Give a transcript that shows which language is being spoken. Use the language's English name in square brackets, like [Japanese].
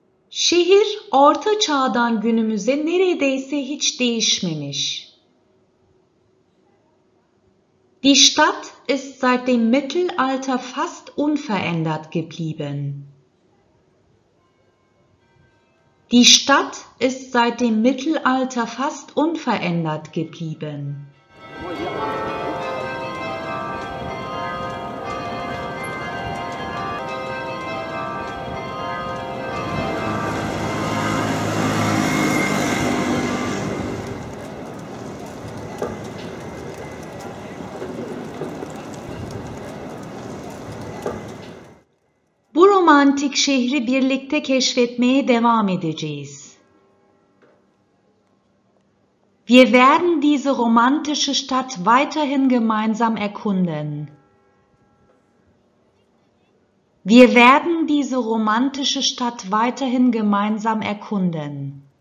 [Turkish] Şehir Orta Çağ'dan günümüze neredeyse hiç değişmemiş. [German] Die Stadt ist seit dem Mittelalter fast unverändert geblieben. Die Stadt ist seit dem Mittelalter fast unverändert geblieben. [Turkish] Romantik şehri birlikte keşfetmeye devam edeceğiz. [German] Wir werden diese romantische Stadt weiterhin gemeinsam erkunden. Wir werden diese romantische Stadt weiterhin gemeinsam erkunden.